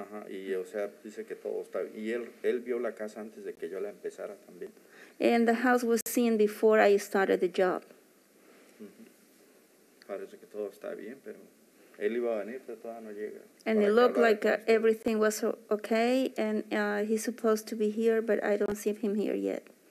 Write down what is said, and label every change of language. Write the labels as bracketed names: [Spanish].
[Spanish] Y o sea, dice que todo está bien. Y él vio la casa antes de que yo la empezara también. [English] And the house was seen before I started the job. [Spanish] Parece que todo está bien, pero él iba a venir, pero todavía no llega. [English] And it looked like everything was okay, and he's supposed to be here, but I don't see him here yet.